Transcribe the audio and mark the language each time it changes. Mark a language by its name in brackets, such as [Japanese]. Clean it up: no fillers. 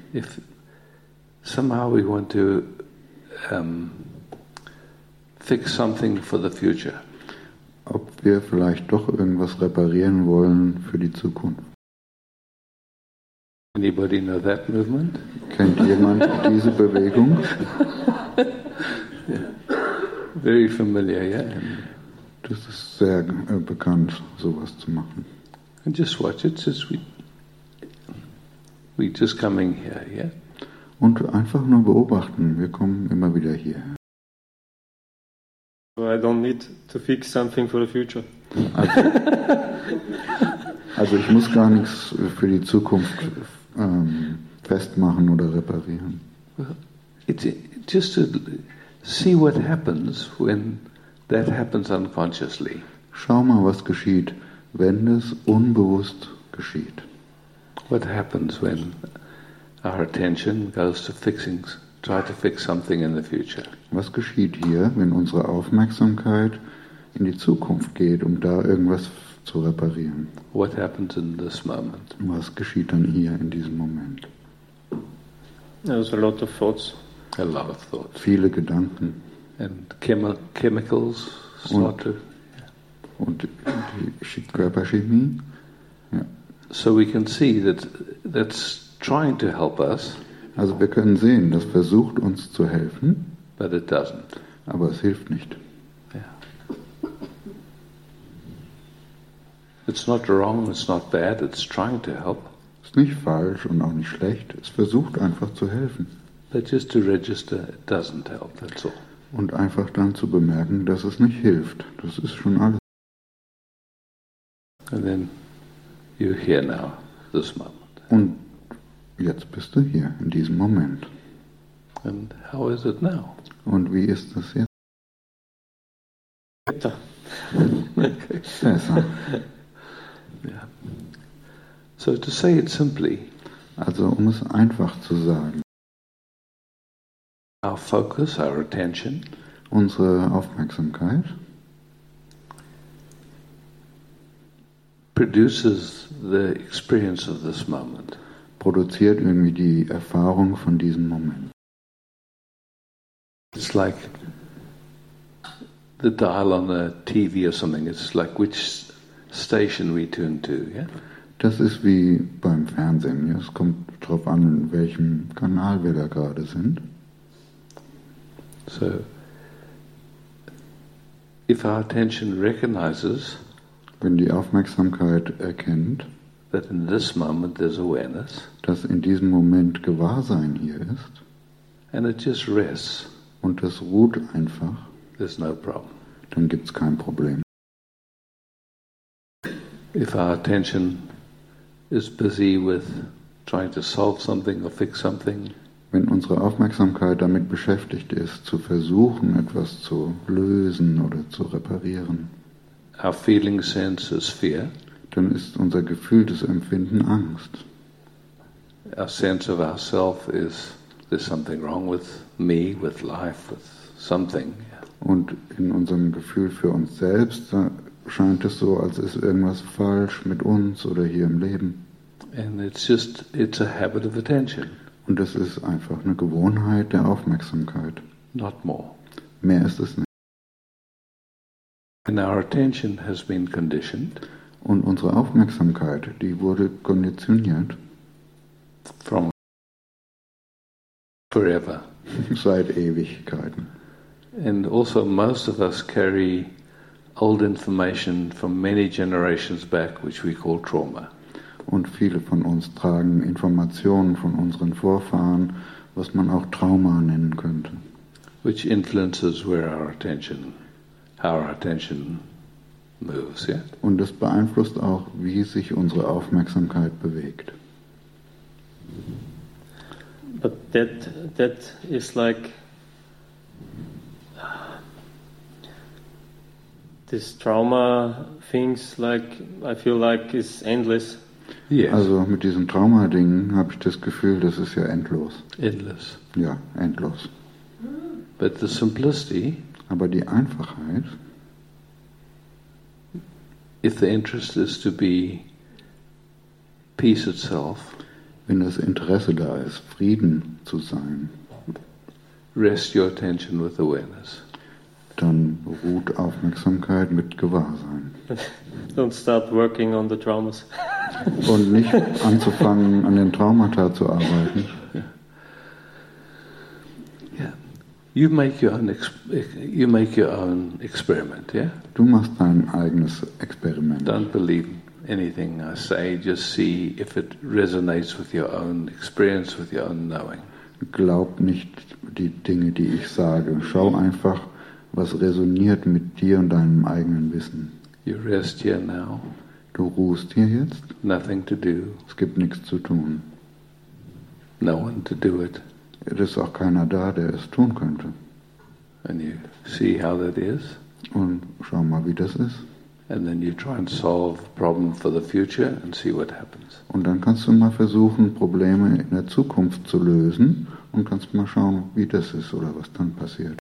[English] If somehow we want to fix something for the future. [German] Ob wir vielleicht doch irgendwas reparieren wollen für die Zukunft. [English] Anybody know that movement? [German] Kennt jemand diese Bewegung? [English] Yeah. Very familiar, yeah. [German] Das ist sehr bekannt, sowas zu machen. [English] And just watch it, just we just coming here, yeah? [German] Und einfach nur beobachten, wir kommen immer wieder hierher. [English] So I don't need to fix something for the future. [German] Also ich muss gar nichts für die Zukunft festmachen oder reparieren. [English] It's just to see what happens when that happens unconsciously. [German] Schau mal, was geschieht, wenn es unbewusst geschieht. [English] What happens when our attention goes to fixing, try to fix something in the future? [German] Was geschieht hier, wenn unsere Aufmerksamkeit in die Zukunft geht, um da irgendwas zu reparieren? [English] What happens in this moment? [German] Was geschieht dann hier in diesem Moment? [English] There's a lot of thoughts. A lot of thoughts. [German] Viele Gedanken. [English] And chemicals start to. [German] Und die Körperchemie. Ja. [English] So we can see that that's trying to help us. [German] Also wir können sehen, das versucht uns zu helfen. [English] But it doesn't. [German] Aber es hilft nicht. [English] Yeah. It's not wrong, it's not bad, it's trying to help. [German] Es ist nicht falsch und auch nicht schlecht, es versucht einfach zu helfen. [English] But just to register, it doesn't help, that's all. [German] Und einfach dann zu bemerken, dass es nicht hilft. Das ist schon alles. [English] And then you're here now, this moment. [German] Und jetzt bist du hier, in diesem Moment. [English] And how is it now? [German] Und wie ist das jetzt? Besser. Besser. [English] Yeah. So to say it simply. [German] Also um es einfach zu sagen. [English] Our focus, our attention. [German] Unsere Aufmerksamkeit. [English] Produces the experience of this moment. [German] Produziert irgendwie die Erfahrung von diesem Moment. [English] It's like the dial on the TV or something. It's like which station we tune to, yeah? [German] Das ist wie beim Fernsehen. Ja? Es kommt darauf an, welchem Kanal wir da gerade sind. [English] So, if our attention recognizes. [German] Wenn die Aufmerksamkeit erkennt, [English] that in this moment there's awareness, [German] dass in diesem Moment Gewahrsein hier ist, [English] and it just rests, [German] und es ruht einfach, [English] there's no problem. [German] Dann gibt es kein Problem. [English] If our attention is busy with trying to solve something or fix something, [German] wenn unsere Aufmerksamkeit damit beschäftigt ist, zu versuchen, etwas zu lösen oder zu reparieren, [English] our feeling sense is fear. [German] Dann ist unser Gefühl des Empfinden Angst. [English] Our sense of ourself is there's something wrong with me, with life, with something. [German] Und in unserem Gefühl für uns selbst scheint es so, als ist irgendwas falsch mit uns oder hier im Leben. [English] And it's a habit of attention. [German] Und es ist einfach eine Gewohnheit der Aufmerksamkeit. [English] Not more. [German] Mehr ist es nicht. [English] And our attention has been conditioned. [German] Und unsere Aufmerksamkeit, die wurde konditioniert. [English] From forever. [German] Seit Ewigkeiten. [English] And also most of us carry old information from many generations back, which we call trauma. [German] Und viele von uns tragen Informationen von unseren Vorfahren, was man auch Trauma nennen könnte. [English] Which influences where our attention is. Our attention moves, yeah? [German] Und es beeinflusst auch, wie sich unsere Aufmerksamkeit bewegt. [English] But that is like this trauma things like I feel like is endless. Yes. [German] Also mit diesen Trauma-Dingen habe ich das Gefühl, das ist ja endlos. [English] Endless. [German] Ja, endlos. [English] But the simplicity. [German] Aber die Einfachheit. [English] If the interest is to be peace itself, [German] wenn das Interesse da ist, Frieden zu sein, [English] rest your attention with awareness. [German] Dann ruht Aufmerksamkeit mit Gewahrsein. [English] Don't start working on the traumas. [German] Und nicht anzufangen, an den Traumata zu arbeiten. [English] Yeah. You make your own experiment, yeah? [German] Du machst dein eigenes Experiment. [English] Don't believe anything I say, just see if it resonates with your own experience, with your own knowing. [German] Glaub nicht die Dinge, die ich sage. Schau einfach, was resoniert mit dir und deinem eigenen Wissen. [English] You rest here now. [German] Du ruhst hier jetzt. [English] Nothing to do. [German] Es gibt nichts zu tun. [English] No one to do it. [German] Es ist auch keiner da, der es tun könnte. [English] And you see how that is. [German] Und schau mal, wie das ist. [English] And then you try and solve the problem for the future and see what happens. [German] Und dann kannst du mal versuchen, Probleme in der Zukunft zu lösen und kannst mal schauen, wie das ist oder was dann passiert.